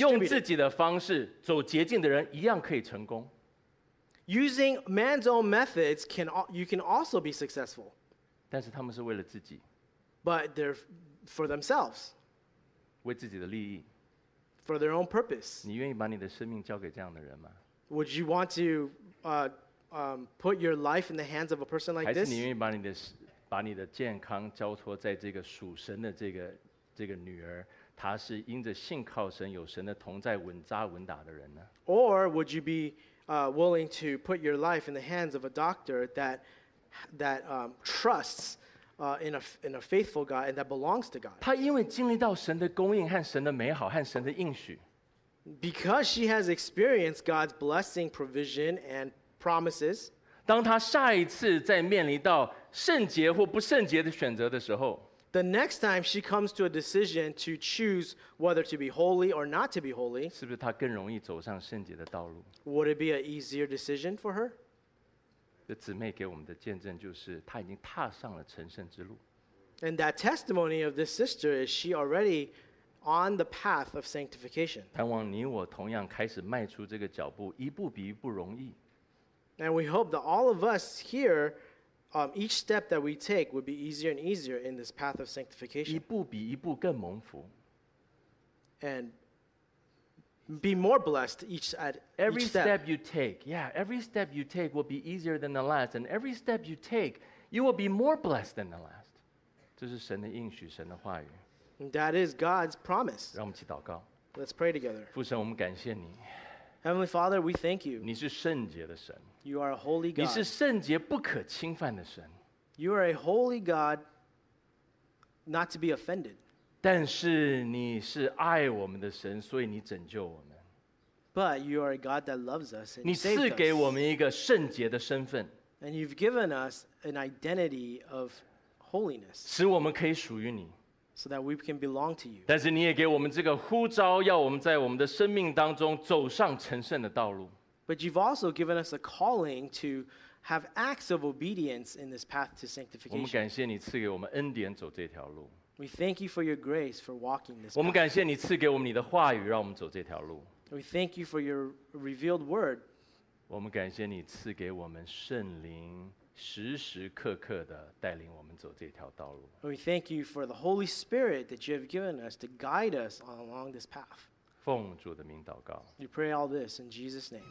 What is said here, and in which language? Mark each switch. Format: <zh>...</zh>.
<zh>用自己的方式走捷径的人一样可以成功。</zh> <en>Using man's own methods, you can also be successful.</en> <zh>但是他们是为了自己。</zh> <en>But they're for themselves.</en> <zh>为自己的利益。</zh> <en>For their own purpose.</en> <zh>你愿意把你的生命交给这样的人吗？</zh> <en>Would you want to put your life in the hands of a person like this?</en> <zh>还是你愿意把你的健康交托在这个属神的这个女儿？她是因着信靠神，有神的同在，稳扎稳打的人呢？</zh> <en>Or would you be willing to put your life in the hands of a doctor that trusts in a faithful God and that belongs to God?</en> <zh>她因为经历到神的供应和神的美好和神的应许。</zh> <en>Because she has experienced God's blessing, provision, and promises.</en> <zh>当她下一次在面临到圣洁或不圣洁的选择的时候。</zh> <en>The next time she comes to a decision to choose whether to be holy or not to be holy,</en> <zh>是不是她更容易走上圣洁的道路？</zh> <en>Would it be an easier decision for her?</en> <zh>这姊妹给我们的见证就是她已经踏上了成圣之路。</zh> <en>And that testimony of this sister is she already on the path of sanctification.</en> <zh>盼望你我同样开始迈出这个脚步，一步比一步容易。</zh> <en>And we hope that all of us here each step that we take would be easier and easier in this path of sanctification.</en> <zh>一步比一步更蒙福。</zh> <en>And be more blessed each step you take. Yeah, every step you take will be easier than the last. And every step you take, you will be more blessed than the last.</en> <zh>这是神的应许，神的话语。</zh> <en>That is God's promise.</en> <zh>让我们一起祷告。</zh> <en>Let's pray together.</en> <zh>父神，我们感谢你。</zh> <en>Heavenly Father, we thank you.</en> <zh>你是圣洁的神。</zh> <en>You are a holy God.</en> <zh>你是圣洁不可侵犯的神。</zh> <en>You are a holy God, not to be offended.</en> <zh>但是你是爱我们的神，所以你拯救我们。</zh> <en>But you are a God that loves us and saved us.</en> <zh>你赐给我们一个圣洁的身份。</zh> <en>And you've given us an identity of holiness.</en> <zh>使我们可以属于你。</zh> <en>So that we can belong to you.</en> <zh>但是你也给我们这个呼召，要我们在我们的生命当中走上成圣的道路。</zh> <en>But you've also given us a calling to have acts of obedience in this path to sanctification.</en> <zh>我们感谢你赐给我们恩典走这条路。</zh> <en>We thank you for your grace for walking this path.</en> <zh>我们感谢你赐给我们你的话语，让我们走这条路。</zh> <en>We thank you for your revealed word.</en> <zh>我们感谢你赐给我们圣灵。时时刻刻的带领我们走这条道路。</zh> <en>We thank you for the Holy Spirit that you have given us to guide us along this path.</en> <zh>奉主的名祷告。</zh> <en>We pray all this in Jesus' name.</en>